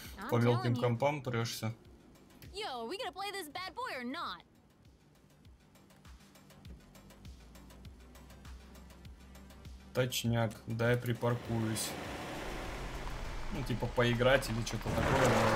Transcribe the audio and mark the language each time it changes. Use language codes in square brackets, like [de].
[ru] По мелким компам прёшься. [en] Yo, are we gonna play this bad boy or not? [ru] Точняк, дай припаркуюсь. Ну, типа поиграть или что-то такое.